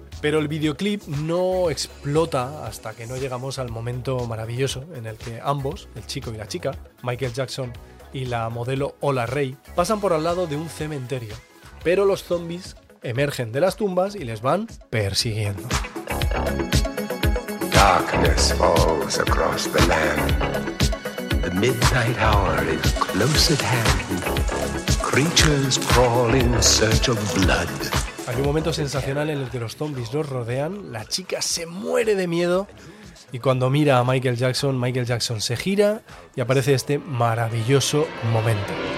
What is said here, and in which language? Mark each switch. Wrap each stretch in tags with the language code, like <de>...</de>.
<es>Pero el videoclip no explota hasta que no llegamos al momento maravilloso en el que ambos, el chico y la chica, Michael Jackson y la modelo Ola Ray, pasan por al lado de un cementerio, pero los zombies emergen de las tumbas y les van persiguiendo.</es> <en>Darkness falls across the land. The midnight hour is close at hand. Creatures crawl in search of blood.</en> <es>Hay un momento sensacional en el que los zombies los rodean, la chica se muere de miedo y cuando mira a Michael Jackson, Michael Jackson se gira y aparece este maravilloso momento.</es>